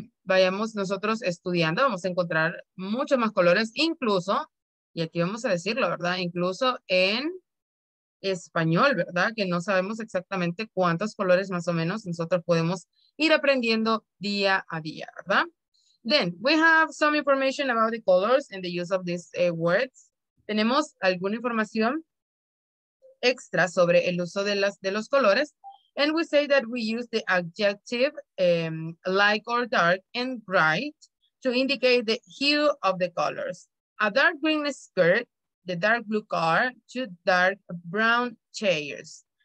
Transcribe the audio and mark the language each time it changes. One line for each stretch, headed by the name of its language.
Spanish: vayamos nosotros estudiando, vamos a encontrar muchos más colores, incluso, y aquí vamos a decirlo, ¿verdad? Incluso en español, ¿verdad? Que no sabemos exactamente cuántos colores más o menos nosotros podemos ir aprendiendo día a día, ¿verdad?
English: Then, we have some information about the colors and the use of these words.
Spanish: Tenemos alguna información extra sobre el uso de los colores.
English: And we say that we use the adjective light or dark and bright to indicate the hue of the colors. A dark green skirt, the dark blue car, two dark brown chairs.